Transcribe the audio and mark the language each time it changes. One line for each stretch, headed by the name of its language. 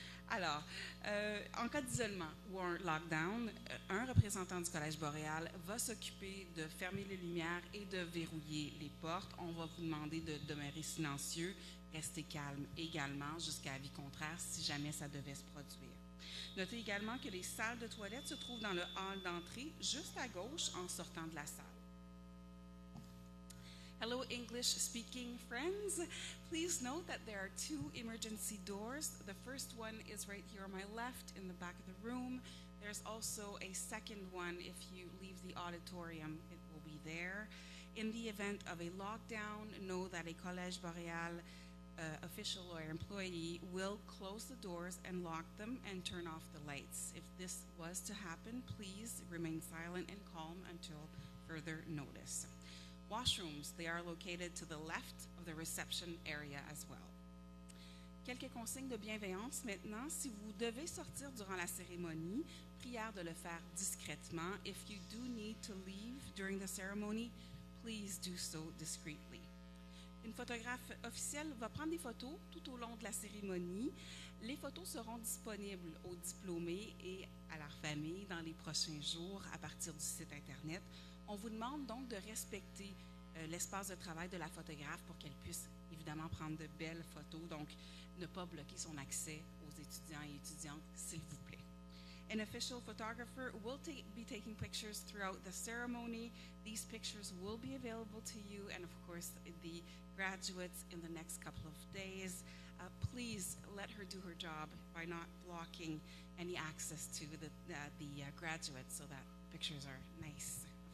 French: Alors, en cas d'isolement ou un lockdown, un représentant du Collège Boréal va s'occuper de fermer les lumières et de verrouiller les portes. On va vous demander de demeurer silencieux, rester calme également jusqu'à avis contraire si jamais ça devait se produire. Notez également que les salles de toilettes se trouvent dans le hall d'entrée, juste à gauche en sortant de la salle.
English: Hello, English-speaking friends. Please note that there are two emergency doors. The first one is right here on my left in the back of the room. There's also a second one if you leave the auditorium, it will be there. In the event of a lockdown, know that a Collège Boréal official or employee will close the doors and lock them and turn off the lights. If this was to happen, please remain silent and calm until further notice. Washrooms, they are located to the left of the reception area as well.
French: Quelques consignes de bienveillance maintenant. Si vous devez sortir durant la cérémonie, prière de le faire discrètement.
English: If you do need to leave during the ceremony, please do so discreetly.
French: Une photographe officielle va prendre des photos tout au long de la cérémonie. Les photos seront disponibles aux diplômés et à leur famille dans les prochains jours à partir du site Internet. On vous demande donc de respecter l'espace de travail de la photographe pour qu'elle puisse évidemment prendre de belles photos, donc ne pas bloquer son accès aux étudiants et étudiantes, s'il vous plaît.
English: An official photographer will be taking pictures throughout the ceremony. These pictures will be available to you and of course the graduates in the next couple of days. Please let her do her job by not blocking any access to the graduates so that pictures are nice.